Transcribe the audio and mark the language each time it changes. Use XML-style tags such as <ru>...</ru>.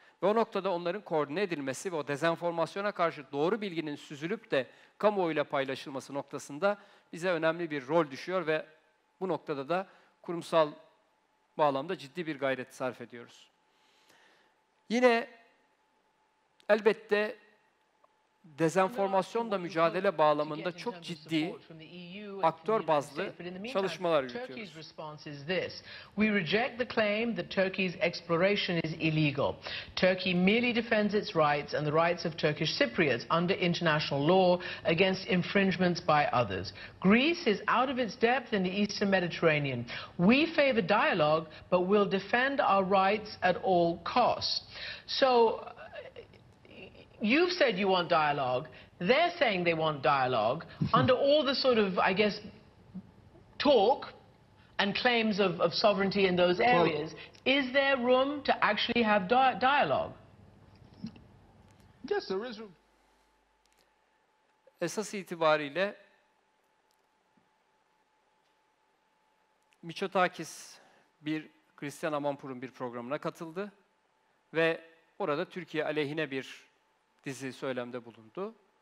<tr>Ve o noktada onların koordine edilmesi ve o dezenformasyona karşı doğru bilginin süzülüp de kamuoyuyla paylaşılması noktasında bize önemli bir rol düşüyor ve bu noktada da kurumsal bağlamda ciddi bir gayret sarf ediyoruz. Yine elbette dezenformasyonla mücadele bağlamında çok ciddi aktör bazlı çalışmalar yürütüyoruz.</tr> <en>We reject the claim that Turkey's exploration is illegal. Turkey merely defends its rights and the rights of Turkish Cypriots under international law against infringements by others. Greece is out of its depth in the Eastern Mediterranean. We favor dialogue but will defend our rights at all costs. So you've said you want dialogue. They're saying they want dialogue. Under all the sort of, I guess, talk and claims of sovereignty in those areas, is there room to actually have dialogue? Yes, there is room.</en> <tr>Esas itibariyle Miçotakis bir Christian Amanpour'un bir programına katıldı ve orada Türkiye aleyhine bir dizi söylemde bulundu.</tr>